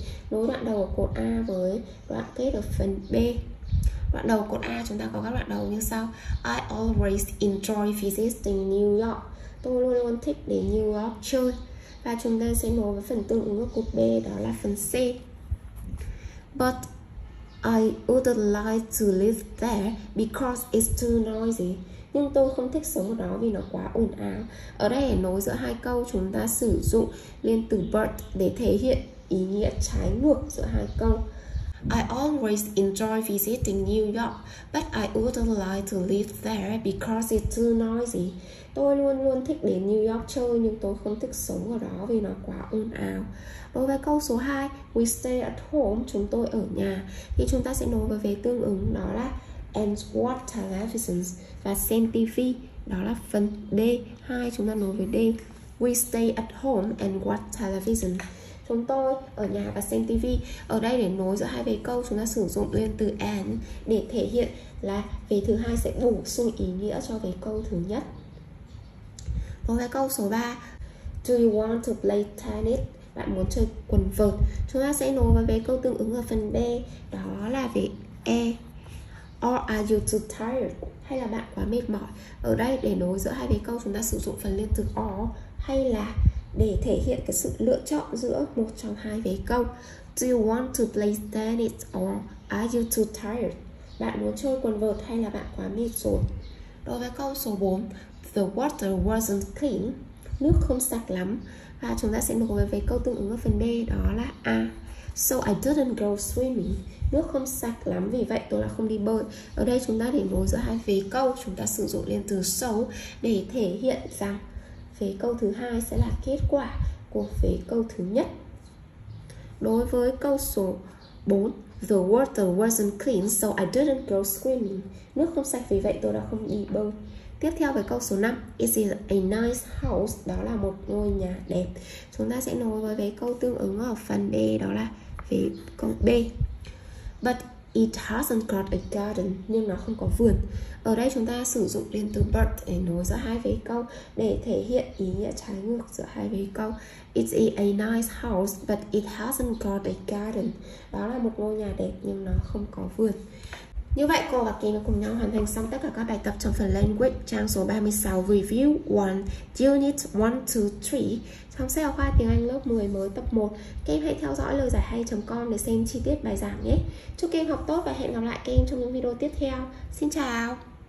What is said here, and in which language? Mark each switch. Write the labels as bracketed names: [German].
[Vietnamese] Nối đoạn đầu của cột A với đoạn kết ở phần B. Đoạn đầu cột A chúng ta có các đoạn đầu như sau: [English] I always enjoy visiting New York. [Vietnamese] Tôi luôn luôn thích đến New York chơi. Và chúng ta sẽ nối với phần tương ứng của cột B, đó là phần C. [English] But I wouldn't like to live there because it's too noisy. [Vietnamese] Nhưng tôi không thích sống ở đó vì nó quá ồn ào. Ở đây để nối giữa hai câu, chúng ta sử dụng liên từ but để thể hiện ý nghĩa trái ngược giữa hai câu. [English] I always enjoy visiting New York, but I wouldn't like to live there because it's too noisy. [Vietnamese] Tôi luôn luôn thích đến New York chơi, nhưng tôi không thích sống ở đó vì nó quá ồn ào. Đối với câu số 2, [English] we stay at home, [Vietnamese] chúng tôi ở nhà, thì chúng ta sẽ nối với vế tương ứng, đó là [English] and watch television [Vietnamese] và xem TV, đó là phần D, 2 chúng ta nối với D. [English] We stay at home and watch television. [Vietnamese] Chúng tôi ở nhà và xem TV. Ở đây để nối giữa hai về câu, chúng ta sử dụng liên từ and để thể hiện là về thứ hai sẽ bổ sung ý nghĩa cho về câu thứ nhất. Đối với câu số 3, [English] do you want to play tennis? [Vietnamese] Bạn muốn chơi quần vợt. Chúng ta sẽ nối vào về câu tương ứng ở phần B, đó là về E. [English] Or are you too tired? [Vietnamese] Hay là bạn quá mệt mỏi. Ở đây để nối giữa hai về câu, chúng ta sử dụng phần liên từ or, hay là để thể hiện cái sự lựa chọn giữa một trong hai vế câu. [English] Do you want to play tennis or are you too tired? [Vietnamese] Bạn muốn chơi quần vợt hay là bạn quá mệt rồi? Đối với câu số 4, [English] the water wasn't clean. [Vietnamese] Nước không sạch lắm. Và chúng ta sẽ nối với vế câu tương ứng ở phần B, đó là A. [English] So I didn't go swimming. [Vietnamese] Nước không sạch lắm, vì vậy tôi đã không đi bơi. Ở đây chúng ta để nối giữa hai vế câu, chúng ta sử dụng liên từ so để thể hiện rằng vế câu thứ hai sẽ là kết quả của vế câu thứ nhất. Đối với câu số 4, [English] the water wasn't clean, so I didn't go swimming. [Vietnamese] Nước không sạch, vì vậy tôi đã không đi bơi. Tiếp theo với câu số 5, [English] it is a nice house. [Vietnamese] Đó là một ngôi nhà đẹp. Chúng ta sẽ nối với vế câu tương ứng ở phần B, đó là vế câu B. [English] But it hasn't got a garden, [Vietnamese] nhưng nó không có vườn. Ở đây chúng ta sử dụng liên từ but để nối giữa hai vế câu để thể hiện ý nghĩa trái ngược giữa hai vế câu. [English] It's a nice house, but it hasn't got a garden. [Vietnamese] Đó là một ngôi nhà đẹp nhưng nó không có vườn. Như vậy cô và Kim cùng nhau hoàn thành xong tất cả các bài tập trong phần language trang số 36 review 1 unit 1, 2, 3 trong sách giáo khoa tiếng Anh lớp 10 mới tập 1. Kim hãy theo dõi lời giải hay.com để xem chi tiết bài giảng nhé. Chúc Kim học tốt và hẹn gặp lại Kim trong những video tiếp theo. Xin chào.